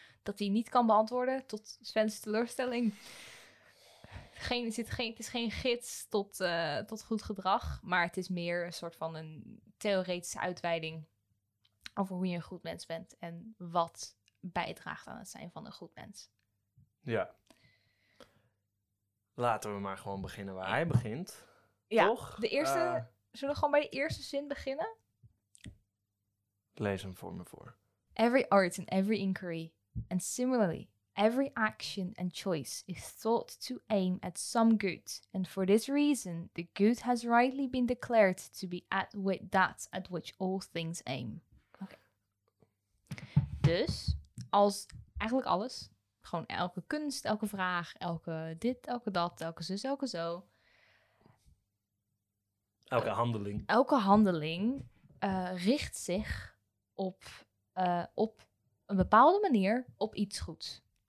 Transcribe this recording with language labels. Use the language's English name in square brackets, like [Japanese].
[Dutch] dat hij niet kan beantwoorden tot Sven's teleurstelling. Het is geen gids tot goed gedrag, maar het is meer een soort van een theoretische uitweiding over hoe je een goed mens bent en wat bijdraagt aan het zijn van een goed mens. Ja. Laten we maar gewoon beginnen waar hij begint. Ja, toch? De eerste, zullen we gewoon bij de eerste zin beginnen? Lees hem voor me voor. [English] Every art and every inquiry, and similarly, every action and choice is thought to aim at some good. And for this reason, the good has rightly been declared to be at with that at which all things aim. Okay. [Dutch] Dus, als eigenlijk alles, gewoon elke kunst, elke vraag, elke dit, elke dat, elke zus, elke zo. Elke handeling. Elke handeling richt zich op een bepaalde manier op iets goeds.